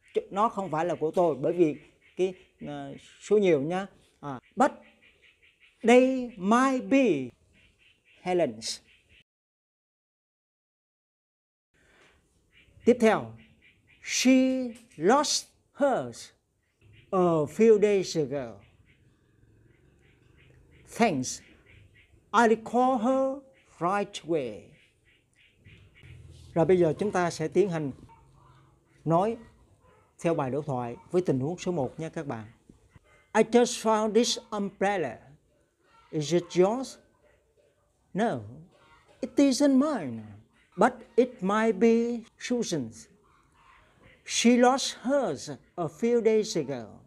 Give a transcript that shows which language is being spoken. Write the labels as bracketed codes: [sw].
[vi] Nó không phải là của tôi, bởi vì cái số nhiều nha. [en] But they might be Helen's. [vi] Tiếp theo. [en] She lost hers a few days ago. Thanks. I'll call her right away. [vi] Rồi bây giờ chúng ta sẽ tiến hành nói theo bài đối thoại với tình huống số 1 nha các bạn. [en] I just found this umbrella. Is it yours? No, it isn't mine. But it might be Susan's. She lost hers a few days ago.